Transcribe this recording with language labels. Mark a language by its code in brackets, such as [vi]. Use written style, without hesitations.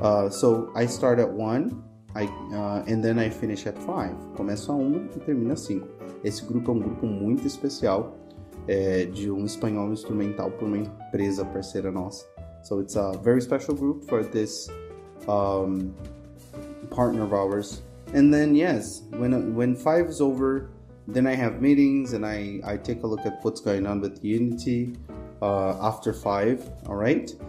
[en] So I start at 1, and then I finish at 5. [pt] Começo a 1 e termino a 5. Esse grupo é um grupo muito especial. É, de um espanhol instrumental por uma empresa parceira nossa. [en] So it's a very special group for this partner of ours. And then yes, when 5 is over, then I have meetings and I take a look at what's going on with Unity after 5, all right?